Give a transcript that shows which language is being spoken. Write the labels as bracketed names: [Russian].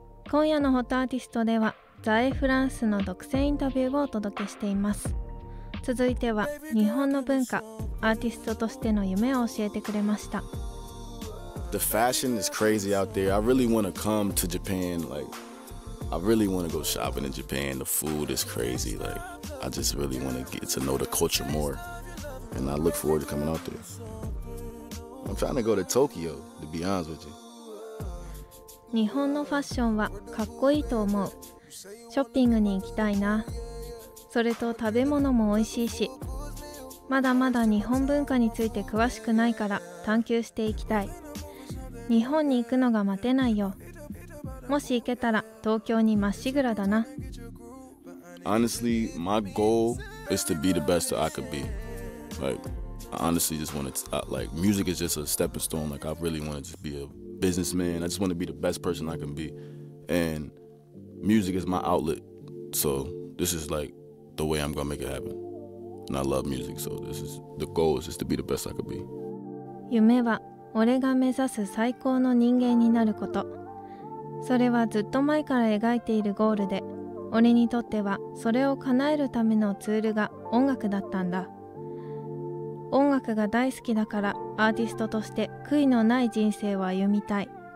[Japanese] 今夜のホットアーティストではザエフランスの独占インタビューをお届けしています。続いては日本の文化、アーティストとしての夢を教えてくれました。 [English] The fashion is crazy out there. I really want to come to Japan. Like, I really want to go shopping in Japan. The food is crazy. Like, I just really want to get to know the culture more. And I look forward to coming out there. I'm trying to go to Tokyo, to be honest with you. [Japanese] 日本のファッションはかっこいいと思う。ショッピングに行きたいな。それと食べ物も美味しいし、まだまだ日本文化について詳しくないから探求していきたい。日本に行くのが待てないよ。もし行けたら東京にまっしぐらだな。 [English] Honestly, my goal is to be the best that I could be. Like, I honestly just want to, like, music is just a stepping stone. Like, I really want to just be abusinessman. I just want to be the best person I can be, and music is my outlet, so this is like the way I'm gonna make it happen. And I love music, so this is the goal, is just to be the best I could be. [Japanese] 夢は俺が目指す最高の人間になること。それはずっと前から描いているゴールで、俺にとってはそれを叶えるためのツールが音楽だったんだ。音楽が大好きだから、アーティストとして悔いのない人生を歩みたい。